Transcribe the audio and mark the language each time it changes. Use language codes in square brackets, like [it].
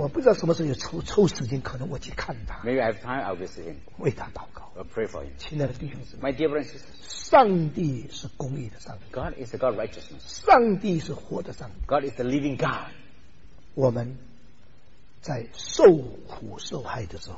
[zh] 我不知道什么时候有抽时间，可能我去看他。 [en] Maybe I have time, I'll visit him. [zh] 为他祷告。 [en] I'll pray for him. [zh] 亲爱的弟兄姊妹。 [en] My dear brothers, [zh] 上帝是公义的上帝。 [en] God is the God of righteousness. [zh] 上帝是活的上帝。 [en] God is the living God. [zh] 我们在受苦受害的时候